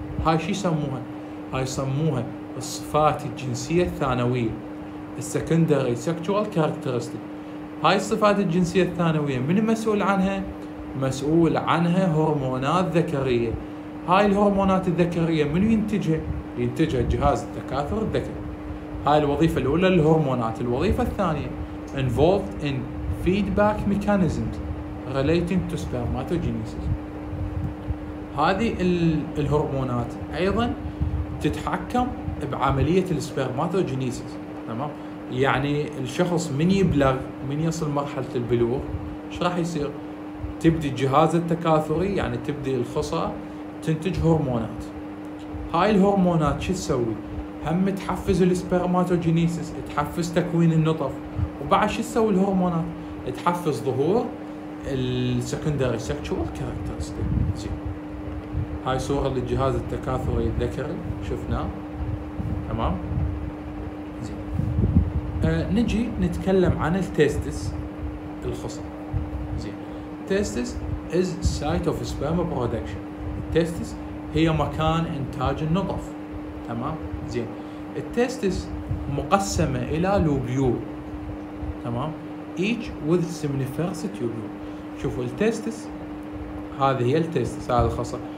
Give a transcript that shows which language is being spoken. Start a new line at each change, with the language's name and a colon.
Arabic: هاي شي يسموها؟ هاي يسموها الصفات الجنسية الثانوية، السكندري سكتوال كاركترستيك. هاي الصفات الجنسية الثانوية من مسؤول عنها؟ مسؤول عنها هرمونات ذكرية. هاي الهرمونات الذكرية من ينتجها؟ ينتجها جهاز التكاثر الذكري. هاي الوظيفة الأولى للهرمونات. الوظيفة الثانية
English: involved in feedback mechanisms relating to spermatogenesis.
Arabic: هذه الهرمونات أيضا تتحكم بعملية السبرماتوجينيسيس، تمام؟ يعني الشخص من يبلغ، من يصل مرحلة البلوغ ايش راح يصير؟ تبدي الجهاز التكاثري، يعني تبدي الخصى تنتج هرمونات. هاي الهرمونات شو تسوي؟ هم تحفز السبرماتوجينيسيس، تحفز تكوين النطف، وبعد شو تسوي الهرمونات؟ تحفز ظهور السكندري سيكشوال كاركترستيكس. هاي صورة للجهاز التكاثري الذكري شفناه، تمام؟ زين، نجي نتكلم عن التستس الخصب. زين، التستس
English: is site of sperm production.
Arabic: التستس هي مكان إنتاج النطف، تمام؟ زين، التستس مقسمة إلى لوبيول، تمام؟
English: each with seminiferous tubule.
Arabic: شوفوا التستس، هذه هي التستس، هذا الخصب.